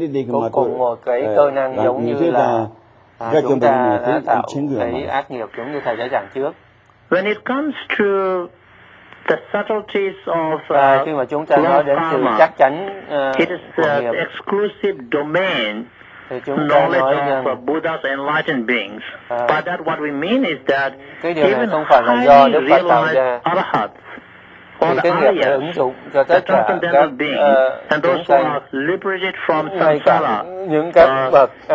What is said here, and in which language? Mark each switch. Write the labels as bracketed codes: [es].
[vi] Cũng cùng một cái cơ năng giống như là chúng ta đã tạo cái ác nghiệp giống như thầy đã giảng trước. [en] When it comes to the subtleties of [vi] khi mà chúng ta nói đến sự chắc chắn [en] it is the exclusive domain knowledge of Buddha's enlightened beings. By that what we mean is that even highly realized arahats, [vi] thì cái nghiệp này ứng dụng cho tất cả các chúng sanh, ngay cả những các bậc